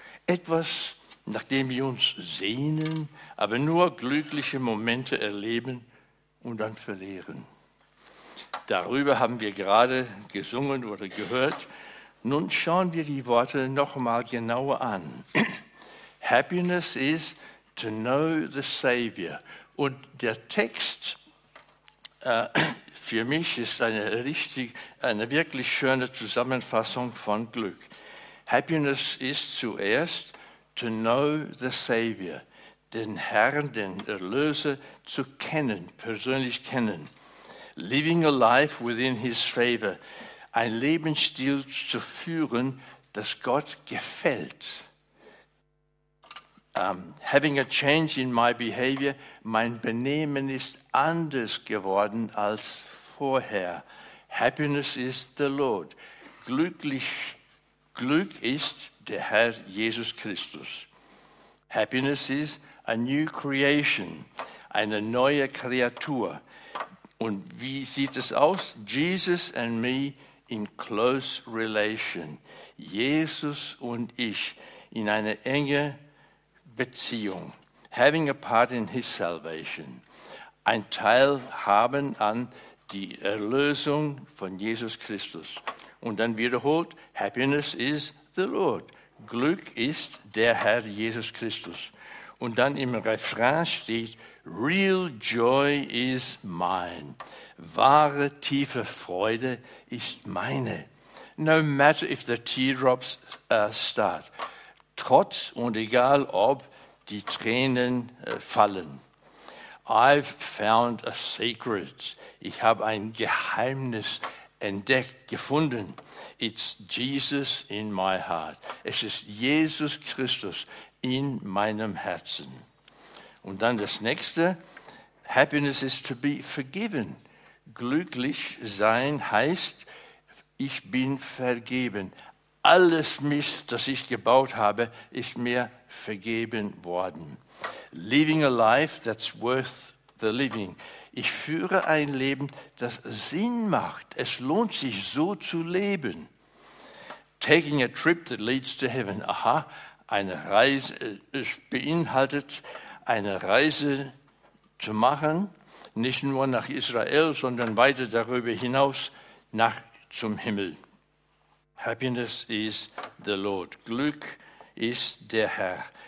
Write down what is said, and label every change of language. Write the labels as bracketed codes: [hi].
[de] Etwas, nach dem wir uns sehnen, aber nur glückliche Momente erleben und dann verlieren. Darüber haben wir gerade gesungen oder gehört. Nun schauen wir die Worte noch mal genauer an. [en] Happiness is to know the Savior. [de] Und der Text für mich ist eine wirklich schöne Zusammenfassung von Glück. Happiness ist zuerst [en] to know the Savior, [de] den Herrn, den Erlöser zu kennen, persönlich kennen. [en] Living a life within his favor, [de] ein Lebensstil zu führen, das Gott gefällt. [en] Having a change in my behavior, [de] mein Benehmen ist anders geworden als vorher. [en] Happiness is the Lord. [de] Glück ist der Herr Jesus Christus. [en] Happiness is a new creation, [de] eine neue Kreatur. Und wie sieht es aus? [en] Jesus and me in close relation. [de] Jesus und ich in eine enge Beziehung. [en] Having a part in his salvation. [de] Ein Teil haben an die Erlösung von Jesus Christus. Und dann wiederholt, [en] happiness is the Lord. [de] Glück ist der Herr Jesus Christus. Und dann im Refrain steht, [en] real joy is mine. [de] Wahre tiefe Freude ist meine. [en] No matter if the teardrops start. [de] Trotz und egal ob die Tränen fallen. [en] I've found a secret. [de] Ich habe ein Geheimnis entdeckt, gefunden. [en] It's Jesus in my heart. [de] Es ist Jesus Christus in meinem Herzen. Und dann das nächste. [en] Happiness is to be forgiven. [de] Glücklich sein heißt, ich bin vergeben. Alles Mist, das ich gebaut habe, ist mir vergeben worden. [en] Living a life that's worth the living. [de] Ich führe ein Leben, das Sinn macht. Es lohnt sich, so zu leben. [en] Taking a trip that leads to heaven. [de] Aha, eine Reise, es beinhaltet eine Reise zu machen, nicht nur nach Israel, sondern weiter darüber hinaus, nach zum Himmel. [en] Happiness is the Lord. [de] Glück ist der Herr.